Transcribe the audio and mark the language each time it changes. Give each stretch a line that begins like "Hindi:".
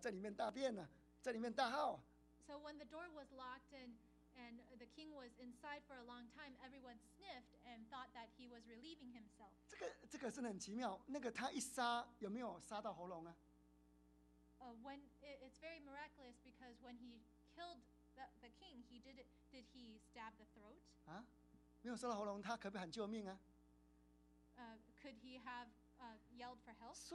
Chinese: 嗯，这个这么臭，他怎么那么久不出来啊？在里面大便呢、啊，在里面大号。
English: So when the door was locked and the king was inside for a long time, everyone sniffed and thought that he was relieving himself.
Chinese: 这个真的很奇妙，那个他一杀有没有杀到喉咙啊？
English: When it's very miraculous because when he killed the king, he did he stab the throat?
Chinese: 啊，没有杀到喉咙，他可不可以喊救命啊？
English: Could he have yelled for help.